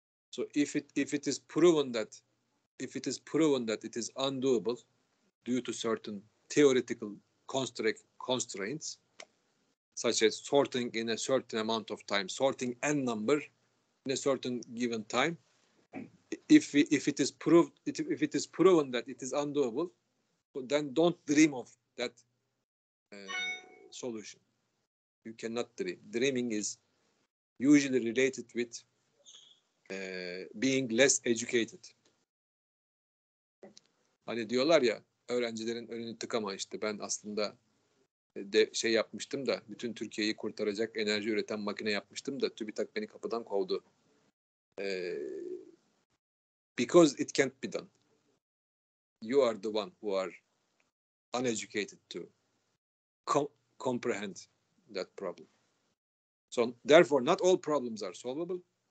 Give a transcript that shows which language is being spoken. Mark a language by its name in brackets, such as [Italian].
[English] So if it is proven that it is undoable due to certain theoretical constraints, such as sorting in a certain amount of time, sorting n number in a certain given time, if it is proven that it is undoable, then don't dream of that solution. You cannot dream. Dreaming is usually related with being less educated. [Turkish] Hani diyorlar ya, öğrencilerin önünü tıkama, işte ben aslında şey yapmıştım da, bütün Türkiye'yi kurtaracak enerji üreten makine yapmıştım da TÜBİTAK beni kapıdan kovdu. [English] Because it can't be done. You are the one who are uneducated to comprehend that problem. So therefore, not all problems are solvable.